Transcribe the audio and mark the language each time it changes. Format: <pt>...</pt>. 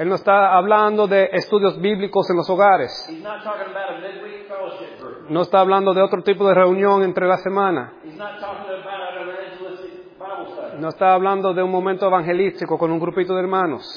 <es>Él no está hablando de estudios bíblicos en los hogares.</es> <en>He's not talking about a midweek fellowship group.</en> <es>No está hablando de otro tipo de reunión entre la semana.</es> <en>He's not talking about an evangelistic Bible study.</en> <es>No está hablando de un momento evangelístico con un grupito de hermanos.</es>